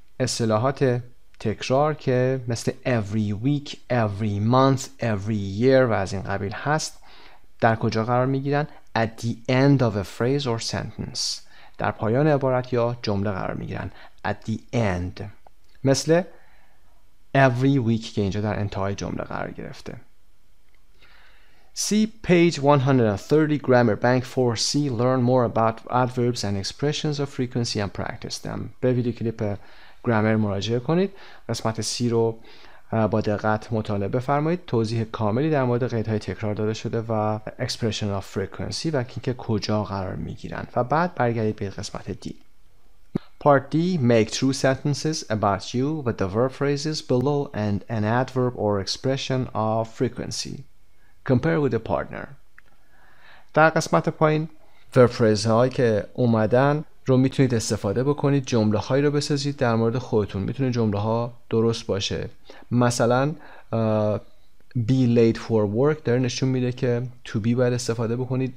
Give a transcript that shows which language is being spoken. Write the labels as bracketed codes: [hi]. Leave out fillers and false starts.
[fa] اصطلاحات تکرار که مثل [en] every week, every month, every year [fa] و از این قبیل هست، در کجا قرار میگیرن؟ [en] At the end of a phrase or sentence. [fa] در پایان عبارت یا جمله قرار میگیرن. [en] At the end. [fa] مثل every week که اینجا در انتهای جمله قرار گرفته. [en] See page 130 Grammar Bank 4C. Learn more about adverbs and expressions of frequency and practice them. [fa] به ویدیو کلیپ گرامر مراجعه کنید. قسمت 30 رو با دقت مطالعه بفرمایید. توضیح کاملی در مورد قیدهای تکرار داده شده و expression of frequency و اینکه کجا قرار میگیرن. و بعد برگردید به قسمت D. Part D. [en] Make true sentences about you with the verb phrases below and an adverb or expression of frequency. Compare with a partner. [fa] در قسمت پایین verb phrase هایی که اومدن رو میتونید استفاده بکنید. جمله هایی رو بسازید در مورد خودتون. میتونه جمله ها درست باشه. مثلا [en] be late for work [fa] داره نشون میده که to be باید استفاده بکنید.